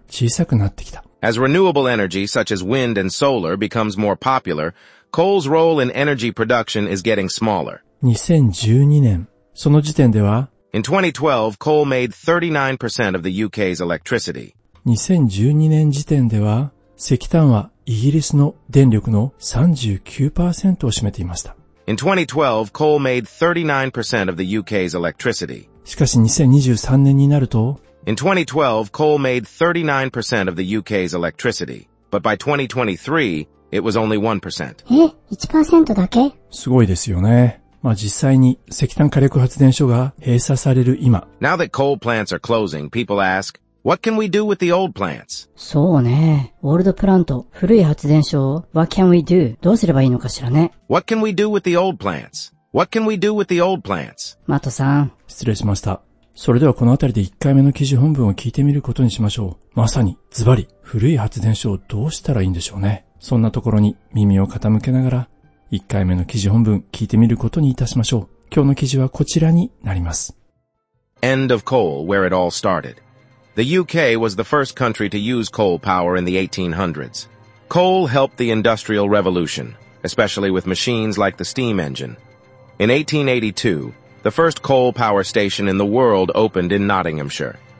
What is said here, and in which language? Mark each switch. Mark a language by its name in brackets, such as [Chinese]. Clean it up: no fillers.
[Japanese] 小さくなってきた。 [English] As renewable energy such as wind and solar becomes more popular, coal's role in energy production is getting smaller. [Japanese] 2012年、その時点では [English] In 2012, coal made 39% of the UK's electricity. [Japanese] 2012年時点では、石炭はイギリスの電力の 39% を占めていました。 [English] In 2012, coal made 39% of the UK's electricity. [Japanese] しかし2023年になると [English] In 2012, coal made 39% of the UK's electricity. But by 2023, it was only 1%. [Japanese] え ?1% だけ? すごいですよね。まあ、実際に石炭火力発電所が閉鎖される今。 [English] Now that coal plants are closing, people ask, what can we do with the old plants? [Japanese] そうね。オールドプラント、古い発電所を、 [English] what can we do? [Japanese] どうすればいいのかしらね。 [English] What can we do with the old plants? What can we do with the old plants? [Japanese] マトさん。失礼しました。それではこのあたりで1回目の記事本文を聞いてみることにしましょう。まさにズバリ古い発電所をどうしたらいいんでしょうね。そんなところに耳を傾けながら1回目の記事本文聞いてみることにいたしましょう。今日の記事はこちらになります。 [English] End of coal where it all started. The UK was the first country to use coal power in the 1800s. Coal helped the industrial revolution, especially with machines like the steam engine. In 1882, the first coal power station in the world opened in Nottinghamshire.